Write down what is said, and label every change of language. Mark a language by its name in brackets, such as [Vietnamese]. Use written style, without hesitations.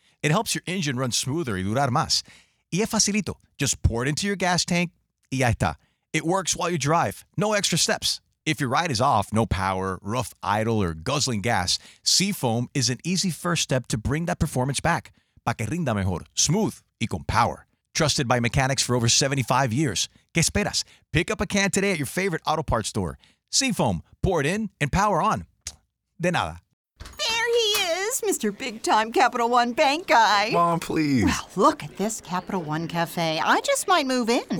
[English] It helps your engine run smoother [Spanish] y durar más. Y es facilito. [English] Just pour it into your gas tank [Spanish] y ya está. [English] It works while you drive. No extra steps. If your ride is off, no power, rough idle, or guzzling gas, Seafoam is an easy first step to bring that performance back. [Spanish] Pa que rinda mejor, smooth, y con power. [English] Trusted by mechanics for over 75 years. [Spanish] ¿Qué esperas? [English] Pick up a can today at your favorite auto parts store. Seafoam, pour it in and power on. [Spanish] De nada. [English] There he is, Mr. Big Time Capital One Bank guy. Mom, please. Well, look at this Capital One Cafe. I just might move in.